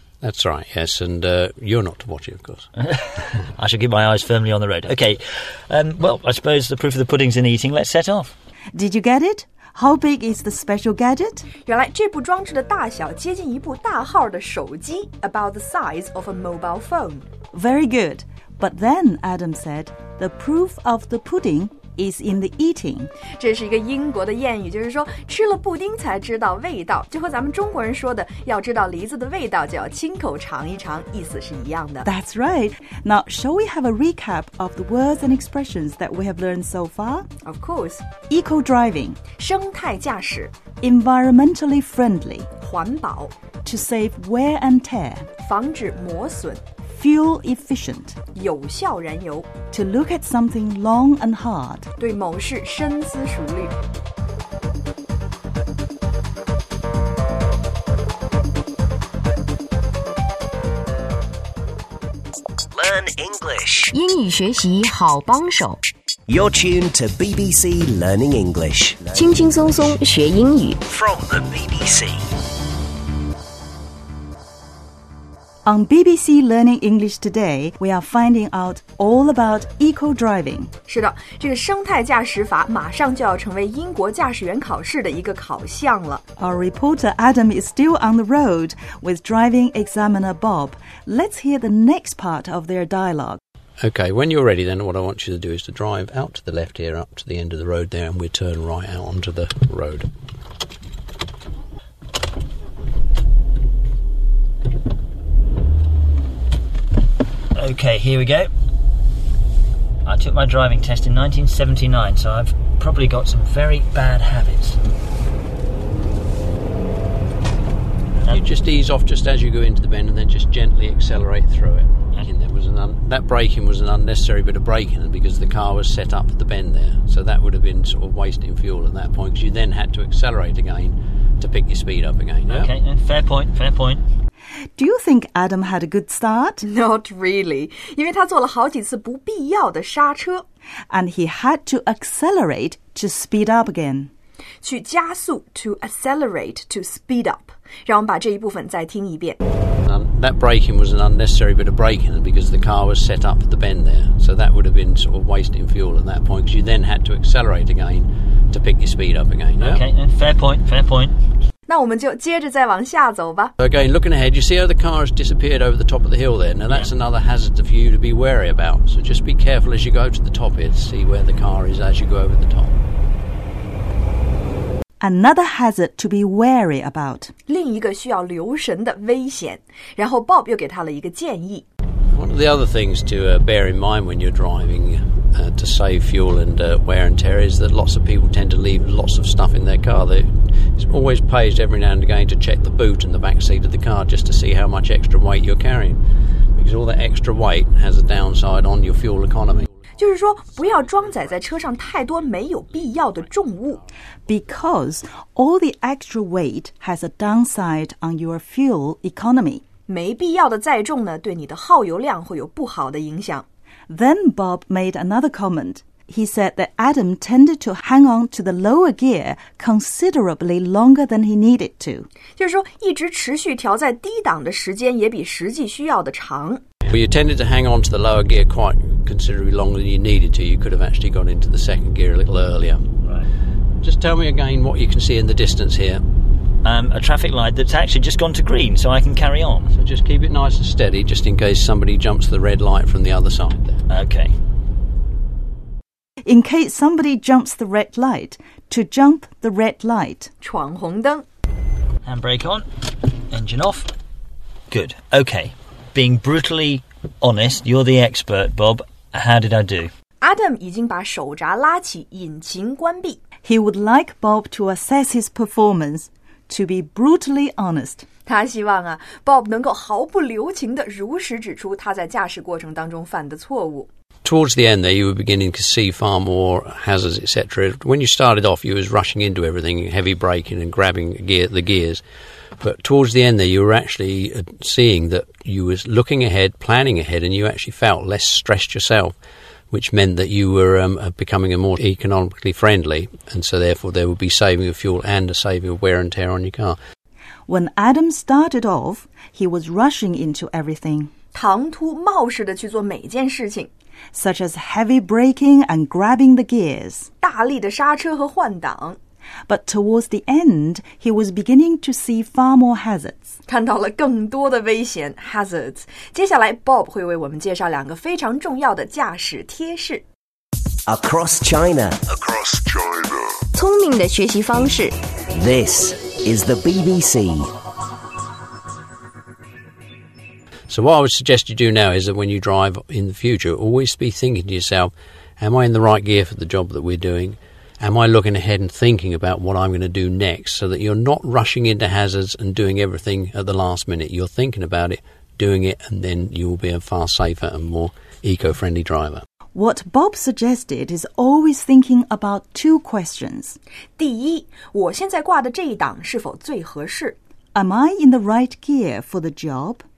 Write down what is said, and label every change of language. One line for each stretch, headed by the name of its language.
English: That's right, yes, and you're not to watch it, of course. I shall keep my eyes firmly on the road. OK, well, I suppose the proof of the pudding's in the eating. Let's set off. Did you get it? How big is the special gadget?
Chinese: 原来这部装置的大小接近一部大号的手机
English: about the size of a mobile phone. Very good. But then, Adam said, the proof of the pudding... is in the eating.
Chinese: 这是一个英国的谚语，就是说吃了布丁才知道味道，就和咱们中国人说的要知道梨子的味道就要亲口尝一尝，意思是一样的。
English: That's right. Now, shall we have a recap of the words and expressions that we have learned so far? Of course. Eco driving.
Chinese: 生态驾驶。
English: Environmentally friendly.
Chinese: 环保。
English: To save wear and tear.
Chinese: 防止磨损。
English: Fuel efficient.
Chinese: 有效燃油。
English: To look at something long and hard.
Chinese: 对某事深思熟虑。
English: Learn English.
Chinese: 英语学习好帮手。
English: You're tuned to BBC Learning English.
Chinese: 轻轻松松学英语。
English: From the BBC. On BBC Learning English Today, we are finding out all about eco-driving.
Chinese: 是的，这个生态驾驶法马上就要成为英国驾驶员考试的一个考项了。
English: Our reporter Adam is still on the road with driving examiner Bob. Let's hear the next part of their dialogue. Okay, when you're ready then, what I want you to do is to drive out to the left here, up to the end of the road there, and we turn right out onto the road. Okay, here we go. I took my driving test in 1979, so I've probably got some very bad habits. You just ease off just as you go into the bend and then just gently accelerate through it. That braking was an unnecessary bit of braking because the car was set up for the bend there. So that would have been sort of wasting fuel at that point because you then had to accelerate again to pick your speed up again. Okay, fair point. Do you think Adam had a good start? Not really,
Chinese: 因为他做了好几次不必要的刹车。
English: And he had to accelerate to speed up again.
Chinese: 去加速
English: to accelerate to speed up.
Chinese: 让我们把这一部分再听一遍。
English: That braking was an unnecessary bit of braking because the car was set up at the bend there. So that would have been sort of wasting fuel at that point because you then had to accelerate again to pick your speed up again. Okay, fair point.
Chinese: 那我们就接着再往下走吧。
English: Again, looking ahead, you see how the car has disappeared over the top of the hill there. Now that's another hazard for you to be wary about. So just be careful as you go to the top here to see where the car is as you go over the top. Another hazard to be wary about.
Chinese: 另一个需要留神的危险。然后 Bob 又给他了一个建议。
English: One of the other things to bear in mind when you're driving... to save fuel and wear and tear is that lots of people tend to leave lots of stuff in their car. It's always pays every now and again to check the boot and the back seat of the car just to see how much extra weight you're carrying. Because all that extra weight has a downside on your fuel economy.
Chinese: 就是说不要装载在车上太多没有必要的重物。
English: Because all the extra weight has a downside on your fuel economy.
Chinese: 没必要的载重呢对你的耗油量会有不好的影响。
English: Then Bob made another comment. He said that Adam tended to hang on to the lower gear considerably longer than he needed to.
Chinese: 就是说一直持续调在低档的时间也比实际需要的长。
English: Well, you tended to hang on to the lower gear quite considerably longer than you needed to. You could have actually gone into the second gear a little earlier. Right. Just tell me again what you can see in the distance here. A traffic light that's actually just gone to green, so I can carry on. So just keep it nice and steady, just in case somebody jumps the red light from the other side there. Okay. In case somebody jumps the red light, to jump the red light.
Chinese: 闯红灯。
English: Handbrake on, engine off. Good, okay. Being brutally honest, you're the expert, Bob. How did I do?
Chinese: Adam 已经把手闸拉起，引擎关闭。
English: He would like Bob to assess his performance. To be brutally honest.
Chinese: 他希望啊 ,Bob 能够毫不留情地如实指出他在驾驶过程当中犯的错误。
English: Towards the end there, you were beginning to see far more hazards, etc. When you started off, you were rushing into everything, heavy braking and grabbing the gears. But towards the end there, you were actually seeing that you were looking ahead, planning ahead, and you actually felt less stressed yourself. Which meant that you were becoming a more economically friendly, and so therefore there would be saving of fuel and a saving of wear and tear on your car. When Adam started off, he was rushing into everything.
Chinese: 唐突冒失地去做每件事情。
English: Such as heavy braking and grabbing the gears.
Chinese: 大力的刹车和换挡。
English: But towards the end, he was beginning to see far more hazards.
Chinese: 看到了更多的危险 hazards. 接下来 Bob 会为我们介绍两个非常重要的驾驶贴士。
English: Across China.
Chinese: 聪明的学习方式。
English: This is the BBC. So what I would suggest you do now is that when you drive in the future, always be thinking to yourself, am I in the right gear for the job that we're doing? Am I looking ahead and thinking about what I'm going to do next so that you're not rushing into hazards and doing everything at the last minute? You're thinking about it, doing it, and then you will be a far safer and more eco-friendly driver. What Bob suggested is always thinking about two questions.
Chinese: 第一，我现在挂的这一档是否最合适？
English: Am I in the right gear for the job?